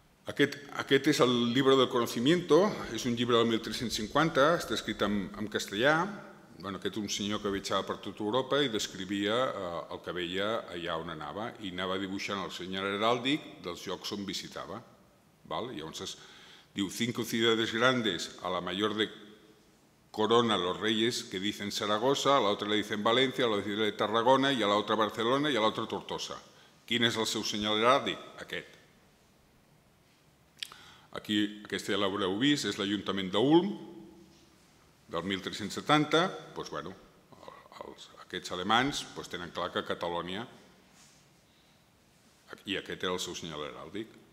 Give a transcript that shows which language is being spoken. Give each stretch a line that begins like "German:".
Catalan: Aquest és el Libro del Conocimiento, és un llibre del 1350, està escrit en castellà. Bueno, aquest és un senyor que viatjava per tot Europa i descrivia el que veia allà on anava i anava dibuixant el senyal heràldic dels llocs on visitava. Val? Llavors es diu,
Spanish: cinco ciudades grandes, a la mayor de Corona, los reyes, que dicen Saragossa, a la otra le dicen València, a la otra de Tarragona, i a la otra Barcelona i a la otra Tortosa.
Catalan: Quin és el seu senyal heràldic? Aquest. Aquí, aquesta ja l'haureu vist, és l'Ajuntament d'Ulm, del 1370, doncs, bueno, aquests alemans doncs, tenen clar que Catalunya, i aquest era el seu senyal heràldic.